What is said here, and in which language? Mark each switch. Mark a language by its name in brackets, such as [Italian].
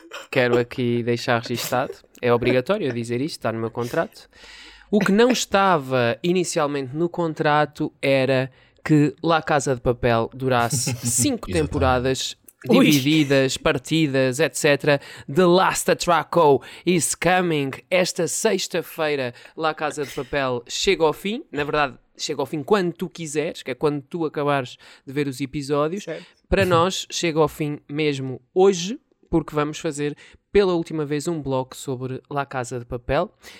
[Portuguese] Quero aqui deixar registado. É obrigatório dizer isto, está no meu contrato. O que não estava inicialmente no contrato era que La Casa de Papel durasse 5 temporadas divididas, partidas, etc. [English] The Last Attraco is coming. [Portuguese] Esta sexta-feira, La Casa de Papel chega ao fim. Na verdade, chega ao fim quando tu quiseres, que é quando tu acabares de ver os episódios. Certo. Para nós, chega ao fim mesmo hoje, porque vamos fazer pela última vez um bloco sobre La Casa de Papel.